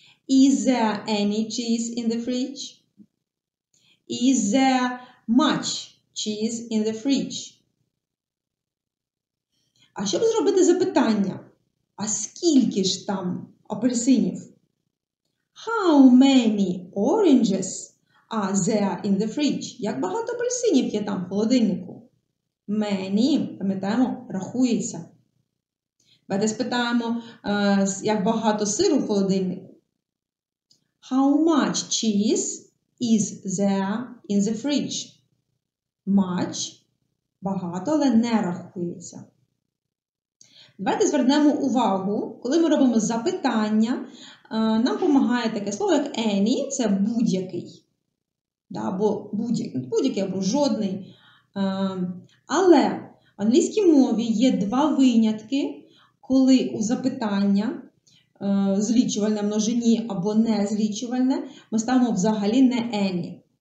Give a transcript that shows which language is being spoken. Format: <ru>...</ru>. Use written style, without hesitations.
<en>Is there any cheese in the fridge? Is there much cheese in the fridge?</en> <uk>А щоб зробити запитання, а скільки ж там апельсинів?</uk> <en>How many oranges are there in the fridge?</en> <uk>Як багато апельсинів є там в холодильнику? Many, пам'ятаємо, рахується. Давайте спитаємо, як багато сиру в холодильнику.</uk> <en>How much cheese is there in the fridge?</en> <uk>Much, багато, але не рахується. Давайте звернемо увагу, коли ми робимо запитання, нам допомагає таке слово, як any, це будь-який. Да, або будь-який, або жодний. Але в англійській мові є два винятки, коли у запитання злічувальне множині або незлічувальне, ми ставимо взагалі не any.</uk>